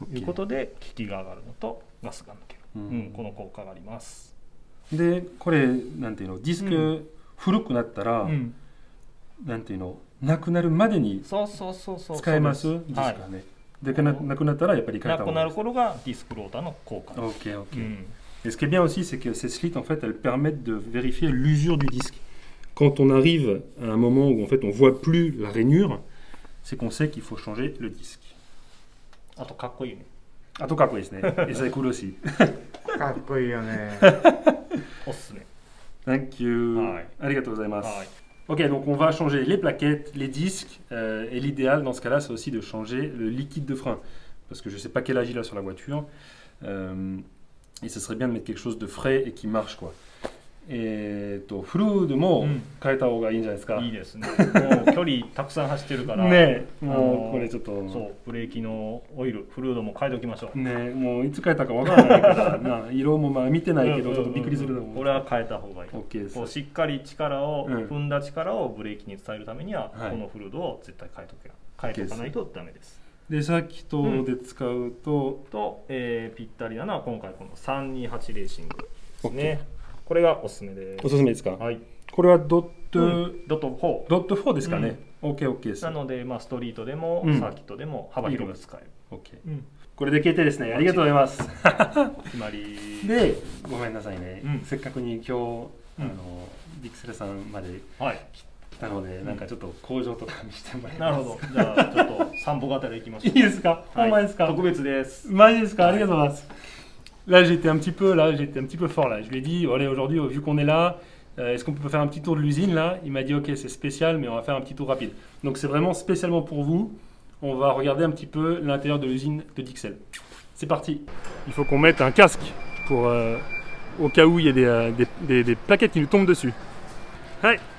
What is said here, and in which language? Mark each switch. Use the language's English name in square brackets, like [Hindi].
[Japanese] うん、いうことで効きが上がるのとガスが抜ける、うんうん、この効果があります。でこれなんていうの、ディスク古くなったら、うん、なんていうの、なくなるまでに使えます。そうそうそうそう、ディスクがね、はい、でなくなったらやっぱり変えた方がなくなる頃がディスクローターの効果です。 [French] OK OK、うん、et ce qui est bien aussi c'est que ces slits en fait elles permettent de vérifier l'usure du disque. Quand on arrive à un moment où en fait on voit plus la rainure, c'est qu'on sait qu'il faut changer le disque. [Japanese] あとかっこいいね。あとかっこいいですね。 [French] et ça est cool aussi. [Japanese] かっこいいよね。おすすめ。 [English] Thank you. [Japanese] ありがとうございます。 [French] OK, donc on va changer les plaquettes, les disques, et l'idéal dans ce cas-là c'est aussi de changer le liquide de frein parce que je sais pas quel âge il a sur la voiture. Et ce serait bien de mettre quelque chose de frais et qui marche quoi. [Japanese] Et フルでも変えた方がいいんじゃないですか。いいですね。もう距離たくさん走ってるから。ね。もうこれちょっと。そう、ブレーキのオイル、フルードも変えておきましょう。ね。もういつ変えたかわからないから、まあ色もまあ見てないけどちょっとびっくりするだろう。これは変えた方がいい。 OK です。こうしっかり力を、踏んだ力をブレーキに伝えるためには、このフルードを絶対変えとけ、変えとかないとダメです。でさっきとで使うと、うん、と、ぴったりなのは今回この328レーシングですね。これがおすすめです。おすすめですか。はい、これはドット、うん、ドット4、ドット4ですかね。OKOK、うん、です。なので、まあ、ストリートでもサーキットでも幅広く使える。 OK、うん、これで決定ですね。ありがとうございます。決まりで、ごめんなさいね、うん、せっかくに今日あの、うん、ディクセルさんまで来て、はい、なので、なんかちょっと工場とか見せてもらいます。なるほど、じゃあちょっと散歩がてら行きましょう。いいですか、はい、マジですか。特別です。マジですか、ありがとうございます。 [French] Là j'étais un petit peu, là j'étais un petit peu fort là. Je lui ai dit, allez aujourd'hui vu qu'on est là, est-ce qu'on peut faire un petit tour de l'usine là? Il m'a dit ok, c'est spécial, mais on va faire un petit tour rapide. Donc c'est vraiment spécialement pour vous. On va regarder un petit peu l'intérieur de l'usine de Dixel. C'est parti. Il faut qu'on mette un casque pour au cas où il y a des plaquettes qui nous tombent dessus. Hey.